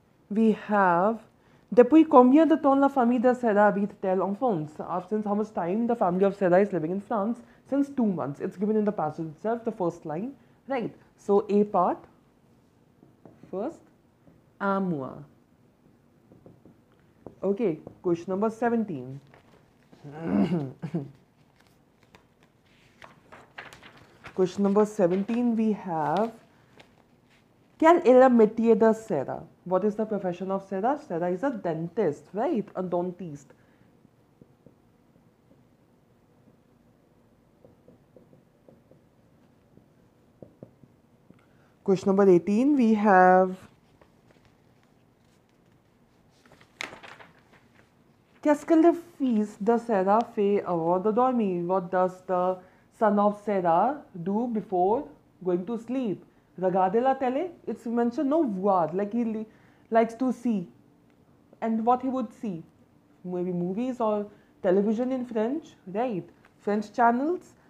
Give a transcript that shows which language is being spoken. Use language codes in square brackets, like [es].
[en] We have [fr] Depuis combien de temps la famille de Sarah habite-t-elle en France? [en] Since how much time the family of Sarah is living in France? Since 2 months. It's given in the passage itself, the first line. Right. So, A part. First. [fr] À moi. [en] Okay. Question number 17. Question number 17 we have. [fr] Quel est le métier de Sarah? [en] What is the profession of Sarah? Sarah is a dentist, right? A dentist. Question number 18, we have. [fr] Qu'est-ce que le fils de Sarah fait avant de dormir? [en] What does the son of Sarah do before going to sleep? [fr] Regarder la télé? [en] It's mentioned, no, voir, like he likes to see. And what he would see? Maybe movies or television in French, right? French channels.